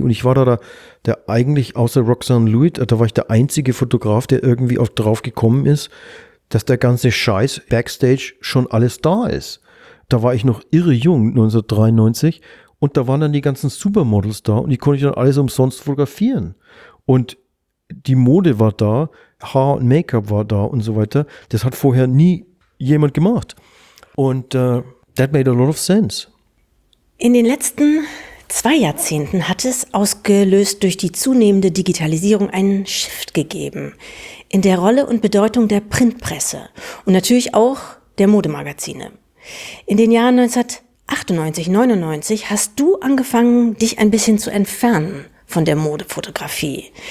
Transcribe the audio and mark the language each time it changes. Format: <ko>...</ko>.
<de>Und ich war da eigentlich außer Roxanne Lloyd, da war ich der einzige Fotograf, der irgendwie auch drauf gekommen ist, dass der ganze Scheiß Backstage schon alles da ist. Da war ich noch irre jung, 1993. Und da waren dann die ganzen Supermodels da und die konnte ich dann alles umsonst fotografieren. Und die Mode war da, Haar und Make-up war da und so weiter. Das hat vorher nie jemand gemacht.</de> <en>Und that made a lot of sense.</en> <de>In den letzten zwei Jahrzehnten hat es, ausgelöst durch die zunehmende Digitalisierung, einen Shift gegeben in der Rolle und Bedeutung der Printpresse und natürlich auch der Modemagazine. In den Jahren 1998, 99 hast du angefangen, dich ein bisschen zu entfernen von der Modefotografie.</de>